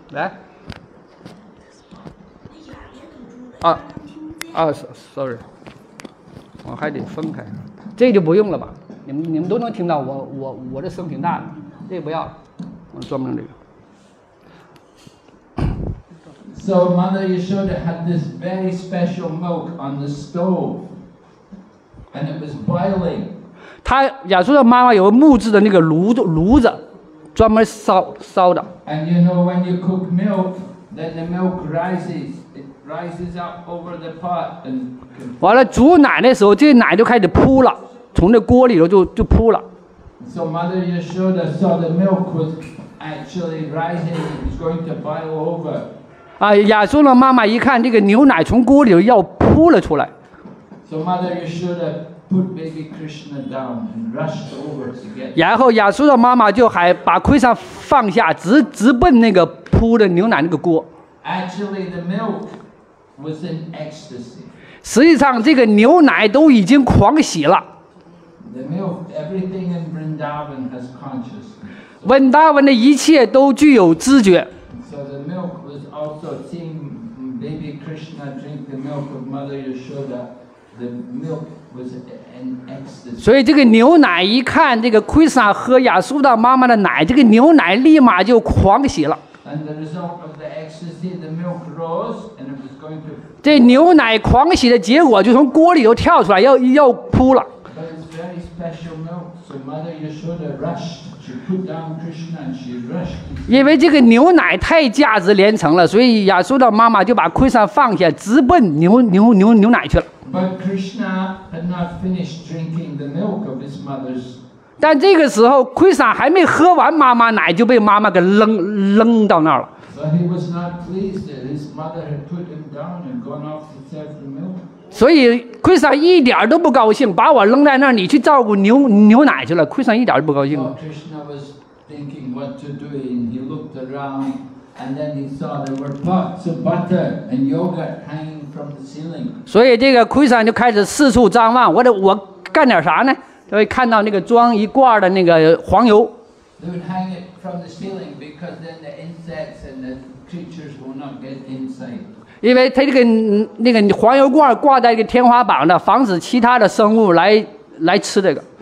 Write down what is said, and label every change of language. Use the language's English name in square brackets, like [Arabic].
[Chinese] 来， [English] sorry， [Chinese] 我还得分开，这就不用了吧？你们都能听到我的声挺大的，这个不要了，我专门这个。 [English] So Mother Yashoda had this very special milk on the stove, and it was boiling. [Chinese] 她亚苏的妈妈有个木质的那个炉子，专门烧的。 [English] And you know when you cook milk, then the milk rises. It rises up over the pot and. [Chinese] 完了，煮奶的时候，这奶就开始扑了，从那锅里头就扑了。 [English] So Mother Yashoda saw the milk was actually rising. It was going to boil over. [Chinese] 亚苏的妈妈一看这个牛奶从锅里要扑了出来。 [English] So Mother Yashoda put baby Krishna down and rushed over to get. [Chinese] 然后亚苏的妈妈就还把Krishna放下，直奔那个扑的牛奶那个锅。 [English] Actually, the milk was in ecstasy. [Chinese] 实际上这个牛奶都已经狂喜了。 [English] The milk, everything in Vrindavan has consciousness. [Chinese] 温达文的一切都具有知觉。 [English] Also, seeing baby Krishna drink the milk of Mother Yashoda, the milk was in ecstasy. [Chinese] 所以这个牛奶一看这个 Krishna 喝亚苏达妈妈的奶，这个牛奶立马就狂喜了。 [English] And the result of the ecstasy, the milk rose, and it was going to. [Chinese] 这牛奶狂喜的结果就从锅里头跳出来，要哭了。 [English] But it's very special milk, so Mother Yashoda rushed. She put down Krishna and she rushed. [Chinese] 因为这个牛奶太价值连城了，所以亚苏的妈妈就把Krishna放下，直奔牛奶去了。 [English] But Krishna had not finished drinking the milk of his mother's. [Chinese] 但这个时候Krishna还没喝完妈妈奶，就被妈妈给扔到那儿了。 [English] But he was not pleased that his mother had put him down and gone off to serve the milk. [Chinese] 所以奎萨一点都不高兴，把我扔在那儿，你去照顾牛奶去了。奎萨一点都不高兴。 [English] Well, Krishna was thinking what to do, and he looked around, and then he saw there were pots of butter and yogurt hanging from the ceiling. [Chinese] 所以这个奎萨就开始四处张望，我干点啥呢？他会看到那个装一罐的那个黄油。 [English] They would hang it from the ceiling because then the insects and the creatures will not get inside. [Chinese] 因为他这个那个黄油罐挂在这个天花板的，防止其他的生物来吃这个。